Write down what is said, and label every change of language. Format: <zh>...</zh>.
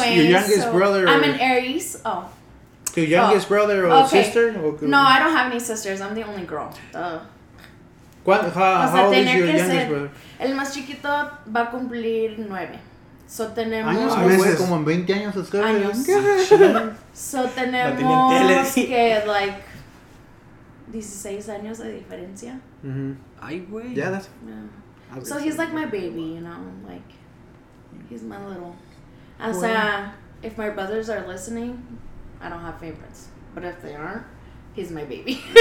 <en>Anyways, your youngest brother? I'm an Aries. Oh. Your youngest brother or sister? No, I don't have any sisters. I'm the only girl. How old is your youngest brother?</en> <es>El más chiquito va a cumplir 9. So tenemos como en 20 años, ¿sabes? Años. So tenemos que like 16 años de diferencia. Mhm. Ay, güey.</es> <en>Yeah, that's. Yeah. So he's like my baby, you know, like he's my little. As if my brothers are listening, I don't have favorites. But if they aren't, he's my baby.</en>